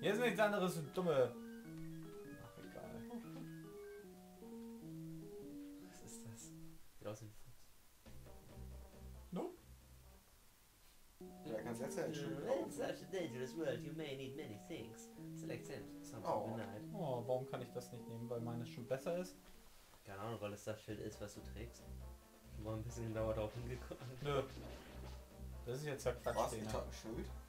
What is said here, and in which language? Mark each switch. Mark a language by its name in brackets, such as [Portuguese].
[German] Hier ist nichts anderes, du Dumme. Ach, egal. Was ist das? Sieht aus wie ein Fuchs. [English] Nope. [German] Ja, kannst jetzt ja nicht schon [English] kaufen. In such a dangerous world, you may need many things. Select something [German] benign. Oh, warum kann ich das nicht nehmen, weil meines schon besser ist? Keine Ahnung, weil es das Schild ist, was du trägst. Ich war ein bisschen genauer drauf hingekommen. Nö. Das ist jetzt ja Quatsch, Dena. Was, ich hab ein Schild?